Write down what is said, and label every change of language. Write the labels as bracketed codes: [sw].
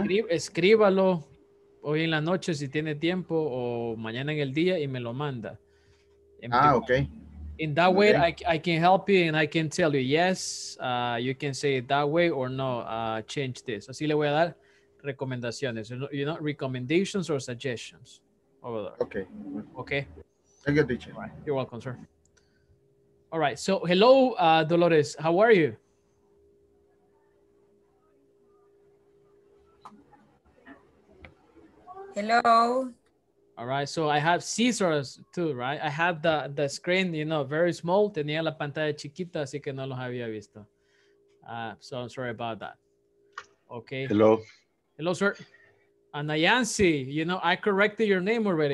[es] Escríbalo hoy en la noche si tiene tiempo o mañana en el día y me lo manda. [en] Okay. In that way, okay. I can help you and I can tell you, yes, you can say it that way or no, change this. [es] Así le voy a dar recomendaciones, you know, [en] recommendations or suggestions over there. Okay. Okay. Thank you, teacher. Right. You're welcome, sir. All right. So, hello, Dolores. How are you? Hello. All right, so I have scissors too, right? I have the screen, you know, very small. [es] Tenía la pantalla chiquita, así que no los había visto. [en] So I'm sorry about that. Okay. Hello. Hello, sir. Anayansi, you know, I corrected your name already.